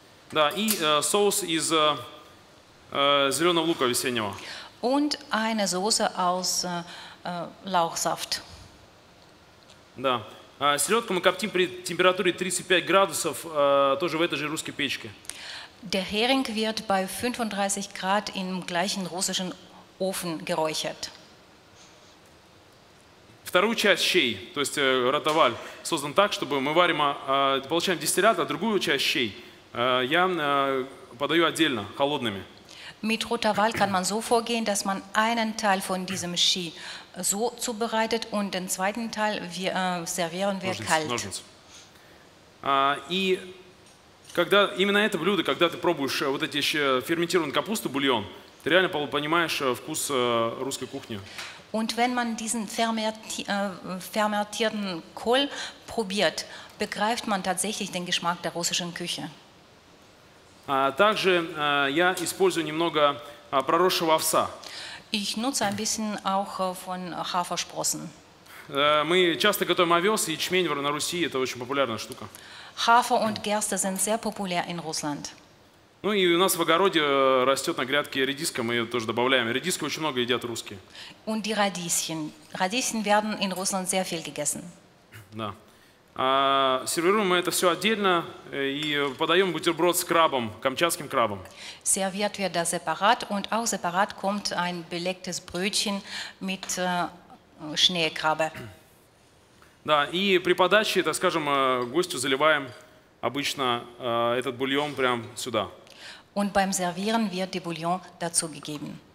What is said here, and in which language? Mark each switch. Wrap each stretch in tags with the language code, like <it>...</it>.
<ru>Да, и соус из зеленого лука весеннего.</ru> <de>Und eine Soße aus Lauchsaft.</de> <ru>Да. Селедку мы коптим при температуре 35 градусов тоже в этой же русской печке.</ru> <de>Der Hering wird bei 35 Grad im gleichen russischen Ofen geräuchert.</de> <ru>В Вторую часть щей, то есть ротоваль, создан так, чтобы мы варим, получаем дистиллят, а другую часть щей я подаю отдельно, холодными.</ru> <de>Mit Rotaval kann man so vorgehen, dass man einen Teil von diesem Ski so zubereitet und den zweiten Teil wir, servieren wir kalt.</de> <ru>И когда именно это блюдо, когда ты пробуешь вот эти ферментированную капусту, бульон, ты реально понимаешь вкус русской кухни.</ru> <de>Und wenn man diesen fermentierten Kohl probiert, begreift man tatsächlich den Geschmack der russischen Küche.</de> <ru>Также я использую немного проросшего овса.</ru> <de>Ich nutze ein bisschen auch von Hafersprossen.</de> <ru>Мы часто готовим овес, и ячмень на Руси – это очень популярная штука.</ru> <de>Hafer und Gerste sind sehr populär in Russland.</de> <ru>Ну и у нас в огороде растет на грядке редиска, мы ее тоже добавляем. Редиски очень много едят русские.</ru> <de>Und die Radieschen. Radieschen werden in Russland sehr viel gegessen.</de> <ru>Да. Сервируем мы это все отдельно и подаем бутерброд с крабом, камчатским крабом.</ru> <de>Serviert wird das separat und auch separat kommt ein belegtes Brötchen mit Schneekrabbe.</de> <ru>Да, и при подаче, так скажем, гостю заливаем обычно этот бульон прям сюда.</ru> <de>Und beim Servieren wird die Bouillon dazu gegeben.</de>